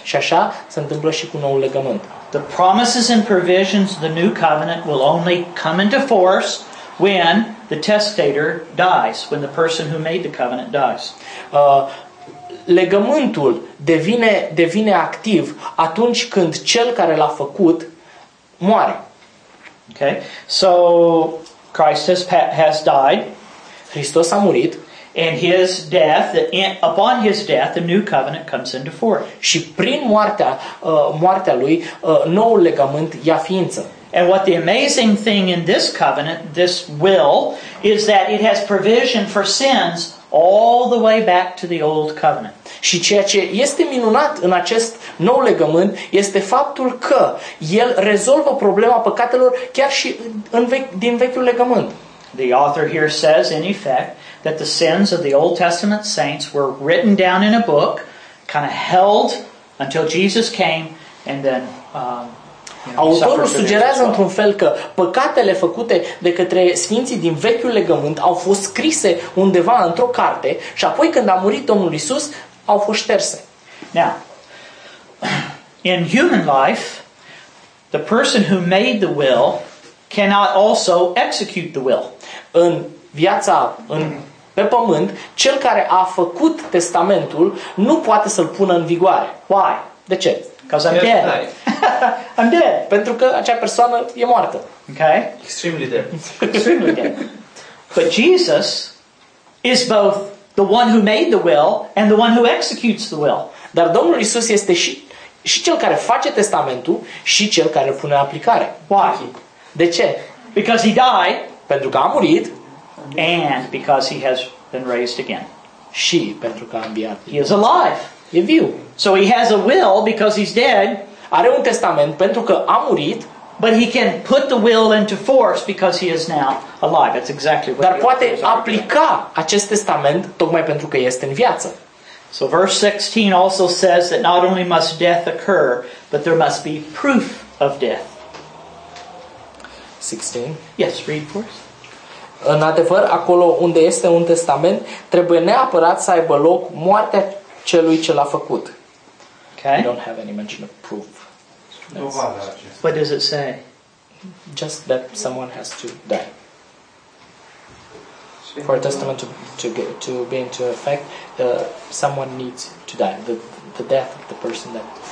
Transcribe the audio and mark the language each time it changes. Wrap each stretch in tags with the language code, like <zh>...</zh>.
<ro>Și așa se întâmplă și cu noul legământ.</ro> <en>The promises and provisions of the new covenant will only come into force when the testator dies, when the person who made the covenant dies.</en> <ro>Legământul devine activ atunci când cel care l-a făcut moare.</ro> <en>Okay? So Christ has died.</en> <ro>Hristos a murit.</ro> <en>And his death, upon his death, the new covenant comes into force.</en> <ro>Și prin moartea lui, noul legământ ia ființă.</ro> <en>And what the amazing thing in this covenant, this will, is that it has provision for sins all the way back to the old covenant.</en> <ro>Și ceea ce este minunat în acest nou legământ este faptul că el rezolvă problema păcatelor chiar și din vechiul legământ.</ro> <en>The author here says, in effect, that the sins of the Old Testament saints were written down in a book, kind of held until Jesus came, and then</en> <ro>autorul sugerează într-un fel că păcatele făcute de către sfinții din vechiul legământ au fost scrise undeva într-o carte și apoi când a murit Domnul Iisus au fost șterse.</ro> <en>Now, in human life, the person who made the will cannot also execute the will.</en> <ro>În viața, pe pământ, cel care a făcut testamentul nu poate să-l pună în vigoare.</ro> <en>Why?</en> <ro>De ce?</ro> <en>Because I'm dead. I'm dead.</en> <ro>Pentru că acea persoană e moartă.</ro> <en>Okay? Extremely dead. Extremely dead. But Jesus is both the one who made the will and the one who executes the will.</en> <ro>Dar Domnul Iisus este și cel care face testamentul și cel care îl pune în aplicare.</ro> <en>Why?</en> <ro>De ce?</ro> <en>Because he died.</en> <ro>Pentru că a murit.</ro> <en>And because he has been raised again.</en> <ro>Și pentru că a înviat.</ro> <en>He is alive.</en> <ro>E viu.</ro> <en>So he has a will because he's dead.</en> <ro>Are un testament pentru că a murit.</ro> <en>But he can put the will into force because he is now alive. That's exactly what.</en> <ro>Dar poate aplica acest testament tocmai pentru că este în viață.</ro> <en>So verse 16 also says that not only must death occur, but there must be proof of death. 16. Yes, read for us.</en> <ro>În adevăr, acolo unde este un testament, trebuie neapărat să aibă loc moartea celui ce l-a făcut.</ro> <en>Okay. We don't have any mention of proof. What does it say? Just that someone has to die. For a testament to be into effect, someone needs to die. The death of the person that</en>